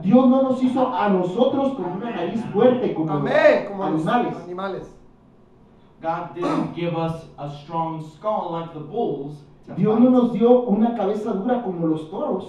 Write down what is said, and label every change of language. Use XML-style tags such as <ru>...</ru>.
<es>Dios no nos hizo a nosotros con una nariz fuerte como, como animales.</es> <en>God didn't give us a strong skull like the bulls.</en> <es>Dios no nos dio una cabeza dura como los toros.</es>